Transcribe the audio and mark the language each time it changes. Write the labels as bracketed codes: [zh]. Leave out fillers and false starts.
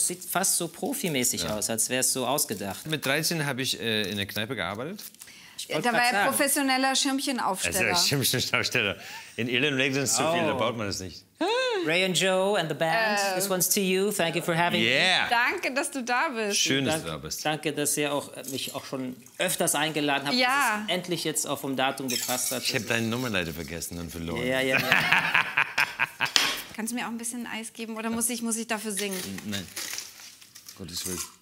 [de] Das sieht fast so profimäßig aus, als wäre es so ausgedacht. Mit 13 habe ich in der Kneipe gearbeitet. Da war er professioneller Schirmchenaufsteller. Also Schirmchenaufsteller. In Irland regnet es zu viel, da baut man es nicht. [en] Ray and Joe and the band, this one's to you. Thank you for having me. [de] Danke, dass du da bist. Schön, dass du da bist. Danke, dass ihr mich auch schon öfters eingeladen habt. Ja. Dass es endlich jetzt auch vom Datum gepasst hat. Ich habe deine Nummer leider vergessen und verloren. Ja. Kannst du mir auch ein bisschen Eis geben oder muss ich dafür singen? Nein. Gottes Willen.